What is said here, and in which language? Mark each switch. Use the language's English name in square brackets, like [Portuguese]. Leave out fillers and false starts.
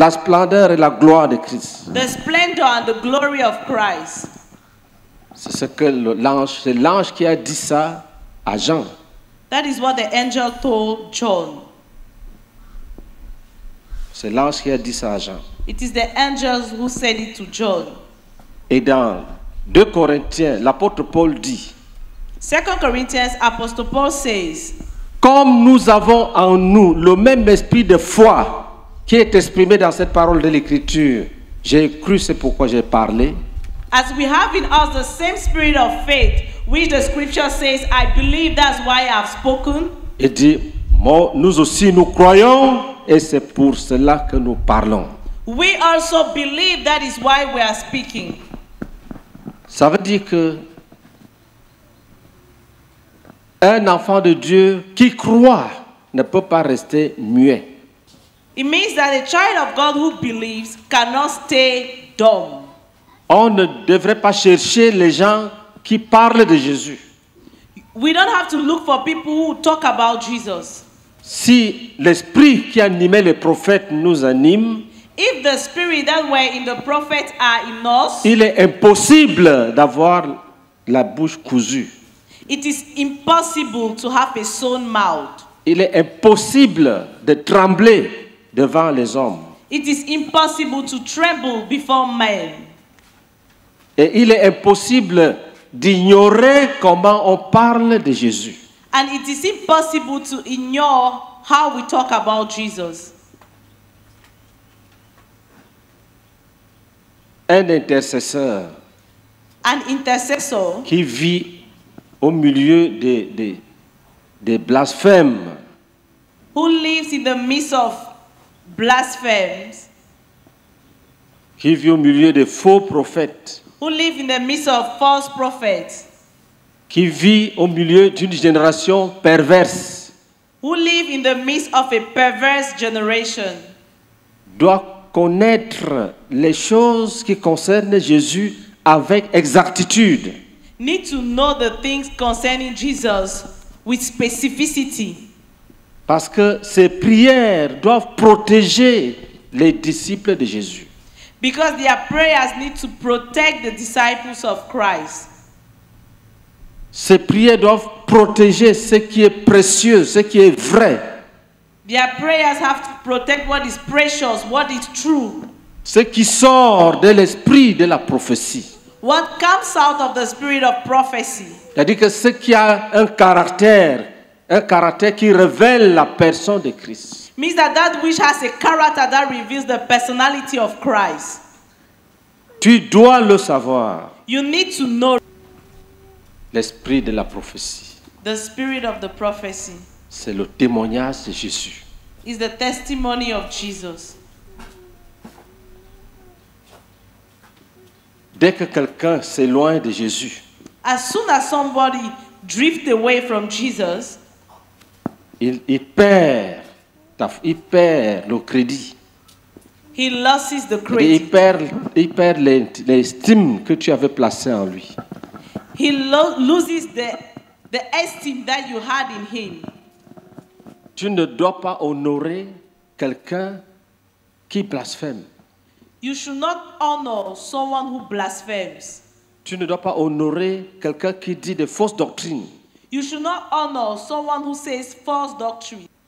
[French] la splendeur et la gloire de Christ. [English] The splendor and the glory of Christ. [French] C'est ce que l'ange qui a dit ça à Jean. [English] That is what the angel told John. [French] C'est l'ange qui a dit ça à Jean. [English] It is the angels who said it to John. [French] Et dans 2 Corinthiens, l'apôtre Paul dit, [English] 2 Corinthiens, apostle Paul says, [French] comme nous avons en nous le même esprit de foi qui est exprimé dans cette parole de l'Écriture, j'ai cru, c'est pourquoi j'ai parlé. [English] As we have in us the same spirit of faith, which the scripture says, I believe, that's why I have spoken. [French] Il dit, nous aussi nous croyons et c'est pour cela que nous parlons. [English] We also believe, that is why we are speaking. [French] Ça veut dire que un enfant de Dieu qui croit ne peut pas rester muet. [English] It means that a child of God who believes cannot stay dumb. [French] On ne devrait pas chercher les gens qui parlent de Jésus. [English] We don't have to look for people who talk about Jesus. [French] Si l'esprit qui animait les prophètes nous anime, [English] if the spirit that were in the prophets are in us, [French] il est impossible d'avoir la bouche cousue. [English] It is impossible to have a sewn mouth. [French] Il est impossible de trembler devant les hommes. [English] It is impossible to tremble before men. [French] Et il est impossible d'ignorer comment on parle de Jésus. [English] And it is impossible to ignore how we talk about Jesus. [French] Un intercesseur, [English] an intercessor, [French] qui vit au milieu des blasphèmes, [English] who lives in the midst of blasphemes, [French] qui vit au milieu des faux prophètes, [English] who live in the midst of false prophets, [French] qui vit au milieu d'une génération perverse, [English] who live in the midst of a perverse generation, [French] doit connaître les choses qui concernent Jésus avec exactitude. [English] Need to know the things concerning Jesus with specificity. [French] Parce que ses prières doivent protéger les disciples de Jésus. [English] Because their prayers need to protect the disciples of Christ. [French] Ses prières doivent protéger ce qui est précieux, ce qui est vrai. [English] Their prayers have to protect what is precious, what is true. [French] Ce qui sort de l'esprit de la prophétie. [English] What comes out of the spirit of prophecy. [French] C'est-à-dire que ce qui a un caractère qui révèle la personne de Christ. [English] Means that that which has a character that reveals the personality of Christ. [French] Tu dois le savoir. [English] You need to know. [French] L'esprit de la prophétie. [English] The spirit of the prophecy. [French] C'est le témoignage de Jésus. [English] It's the testimony of Jesus. [French] Dès que quelqu'un s'éloigne de Jésus, [English] as soon as somebody drifts away from Jesus, [French] il perd le crédit. [English] He loses the credit. [French] Il perd l'estime que tu avais placée en lui. [English] He loses the esteem that you had in him. [French] Tu ne dois pas honorer quelqu'un qui blasphème. [English] You should not honor someone who blasphemes. [French] Tu ne dois pas honorer quelqu'un qui dit des fausses doctrines. [English] You should not honor someone who says false doctrine.